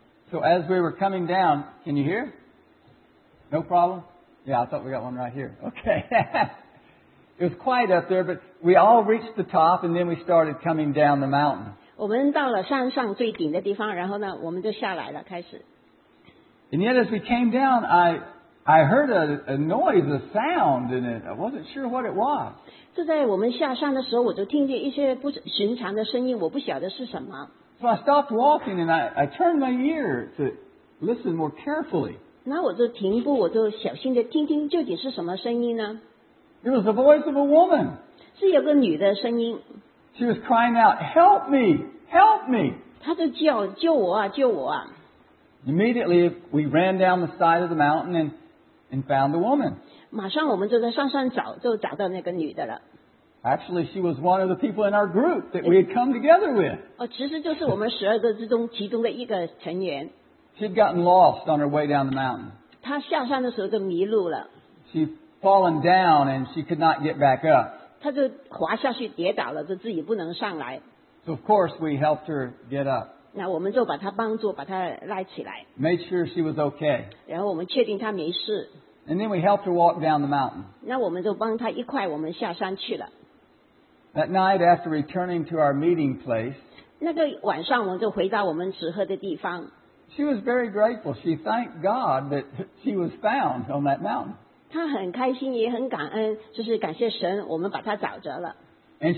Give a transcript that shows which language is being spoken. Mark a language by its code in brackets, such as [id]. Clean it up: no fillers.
[en] So as we were coming down, can you hear? No problem? Yeah, I thought we got one right here. Okay. It was quiet up there, but we all reached the top, and then we started coming down the mountain. [zh] 我们到了山上最顶的地方，然后呢，我们就下来了，开始。 [en] And yet as we came down, I heard a noise, a sound in it. I wasn't sure what it was. [zh] 就在我们下山的时候，我就听见一些不寻常的声音，我不晓得是什么。 [en] So I stopped walking and I turned my ear to listen more carefully. [zh] 那我就停步，我就小心地听听究竟是什么声音呢？ [en] It was the voice of a woman. [zh] 是有个女的声音。 [en] She was crying out, help me, help me. [zh] 她就叫救我啊，救我啊。 [en] Immediately, we ran down the side of the mountain and found the woman. [zh] 马上我们就在上山找，就找到那个女的了。 [en] Actually, she was one of the people in our group that we had come together with. [zh] 其实就是我们12个之中其中的一个成员。 [en] She'd gotten lost on her way down the mountain. [zh] 她下山的时候就迷路了。 [en] She'd fallen down and she could not get back up. [zh] 她就滑下去跌倒了，就自己不能上来。 [en] So of course, we helped her get up. [zh] 那我们就把她帮助，把她拉起来。 [en] Made sure she was okay. [zh] 然后我们确定她没事。 [en] And then we helped her walk down the mountain. [zh] 那我们就帮她一块，我们下山去了。 [en] That night after returning to our meeting place, [zh] 那个晚上我们就回到我们集合的地方。 [en] She was very grateful. She thanked God that she was found on that mountain. [zh] 她很开心，也很感恩，就是感谢神，我们把她找着了。 [en] And